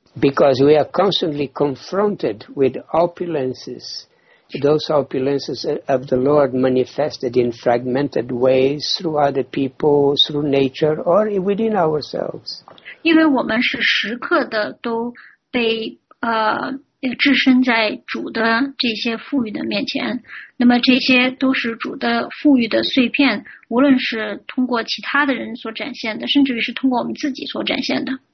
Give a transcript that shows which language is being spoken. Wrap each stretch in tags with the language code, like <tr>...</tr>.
<en>Because we are constantly confronted with opulences. Those opulences of the Lord manifested in fragmented ways through other people, through nature, or within ourselves.</en> <zh>因为我们是时刻的都被置身在主的这些富裕的面前，那么这些都是主的富裕的碎片，无论是通过其他的人所展现的，甚至于是通过我们自己所展现的。</zh>